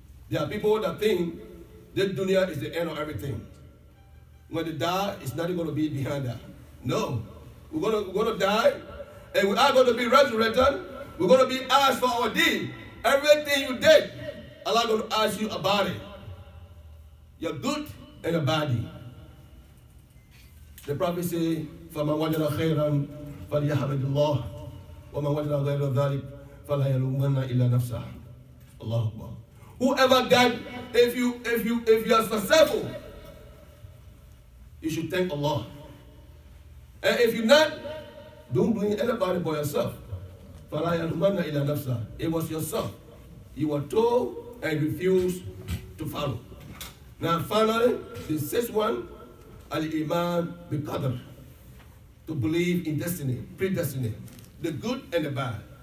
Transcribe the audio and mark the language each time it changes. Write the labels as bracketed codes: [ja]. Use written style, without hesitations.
[en] There are people that think this dunya is the end of everything. When they die, it's not going to be behind that. No. We're going to die, and we are going to be resurrected. We're going to be asked for our deed. Everything you did, Allah is going to ask you about it. Your good and your bad. The prophet say, [ar] فَمَنْ وَجَدَ خَيْرًا فَلْيَحْمَدِ اللَّهِ وَمَنْ وَجَدَ غَيْرَ ذَلِكَ فَلَا يَلُومَنَّ إِلَّا نَفْسَهُ. [en] Allahu Akbar. Whoever died, if you are successful, you should thank Allah. And if you're not, don't blame anybody but yourself. [ar] Fala yalumanna illa nafsa. [en] It was yourself. You were told and refused to follow. Now finally, the sixth one, al-iman bi-qadr, to believe in destiny, predestiny, the good and the bad.